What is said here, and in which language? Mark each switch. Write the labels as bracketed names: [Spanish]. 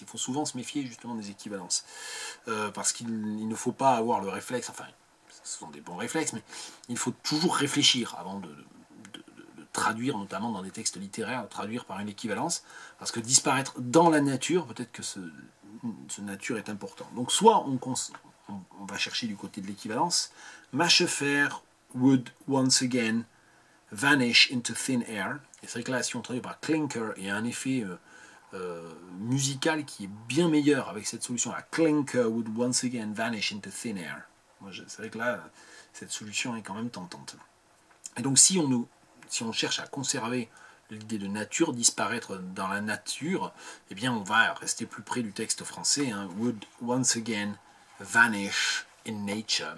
[French] Il faut souvent se méfier justement des équivalences, parce qu'il ne faut pas avoir le réflexe, enfin, ce sont des bons réflexes, mais il faut toujours réfléchir avant de traduire, notamment dans des textes littéraires, traduire par une équivalence, parce que disparaître dans la nature, peut-être que ce nature est important. Donc soit on va chercher du côté de l'équivalence, [English] Machefer would once again vanish into thin air. [French] Et c'est vrai que là, si on traduit par clinker, il y a un effet musical qui est bien meilleur avec cette solution. [English] A clinker would once again vanish into thin air. [French] Moi, c'est vrai que là, cette solution est quand même tentante. Et donc, si on cherche à conserver l'idée de nature, disparaître dans la nature, eh bien, on va rester plus près du texte français. [English] Hein, would once again vanish in nature.